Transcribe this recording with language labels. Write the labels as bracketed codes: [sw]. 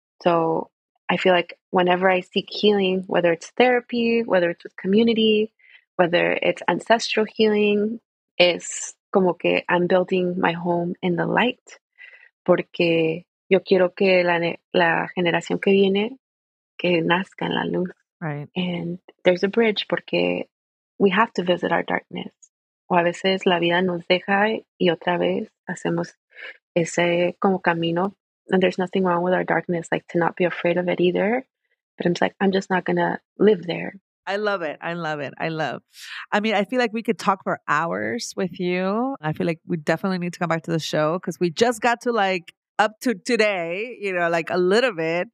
[en] So I feel like whenever I seek healing, whether it's therapy, whether it's with community, whether it's ancestral healing, it's [es] como que [en] I'm building my home in the light [es] porque yo quiero que la generación que viene que nazca en la luz. [en] Right. And there's a bridge porque we have to visit our darkness. [es] O a veces la vida nos deja y otra vez hacemos ese como camino. [en] And there's nothing wrong with our darkness, like to not be afraid of it either. But I'm just like, I'm just not going to live there. I love it. I love it. I mean, I feel like we could talk for hours with you. I feel like we definitely need to come back to the show because we just got to like up to today, you know, like a little bit.